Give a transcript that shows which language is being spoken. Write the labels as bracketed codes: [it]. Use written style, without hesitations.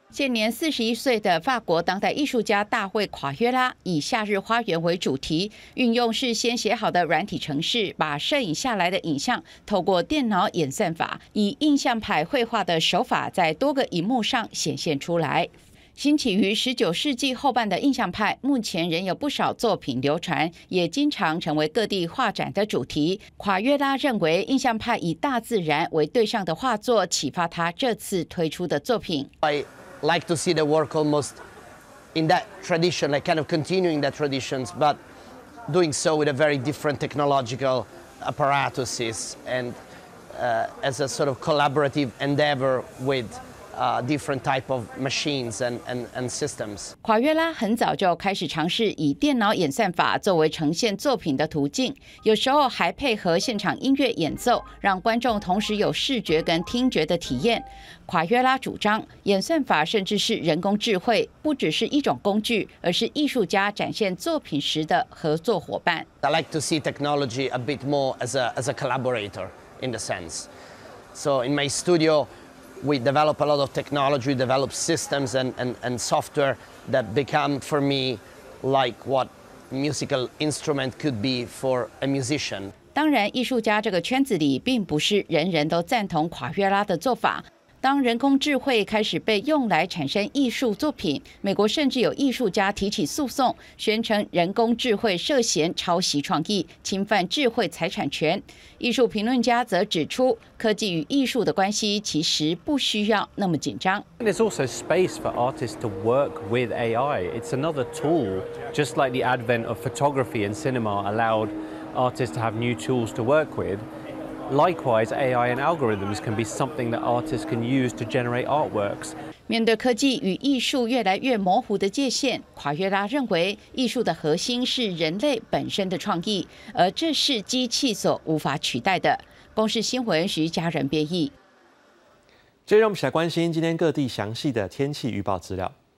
[zh] 现年41岁的法国当代艺术家大卫·夸约拉以夏日花园为主题，运用事先写好的软体程式，把摄影下来的影像透过电脑演算法，以印象派绘画的手法在多个荧幕上显现出来。兴起于19世纪后半的印象派，目前仍有不少作品流传，也经常成为各地画展的主题。夸约拉认为，印象派以大自然为对象的画作启发他这次推出的作品。 [en] I like to see the work almost in that tradition, like kind of continuing that traditions, but doing so with a very different technological apparatuses and as a sort of collaborative endeavor with. Different type of machines and systems. [zh] 夸约拉很早就开始尝试以电脑演算法作为呈现作品的途径，有时候还配合现场音乐演奏，让观众同时有视觉跟听觉的体验。夸约拉主张，演算法甚至是人工智慧，不只是一种工具，而是艺术家展现作品时的合作伙伴。 [en] I like to see technology a bit more as a collaborator in the sense. So in my studio. We develop a lot of technology, develop systems and software that become for me like what musical instrument could be for a musician. [zh] 当然，艺术家这个圈子里并不是人人都赞同夸约拉的做法。当人工智慧开始被用来产生艺术作品，美国甚至有艺术家提起诉讼，宣称人工智慧涉嫌抄袭创意、侵犯智慧财产权。艺术评论家则指出，科技与艺术的关系其实不需要那么紧张。 [en] There's also space for artists to work with AI. It's another tool, just like the advent of photography and cinema allowed artists to have new tools to work with. Likewise, AI and algorithms can be something that artists can use to generate artworks. [zh] 面对科技与艺术越来越模糊的界限，夸约拉认为艺术的核心是人类本身的创意，而这是机器所无法取代的。公视新闻徐佳仁编译。接着我们起来关心今天各地详细的天气预报资料。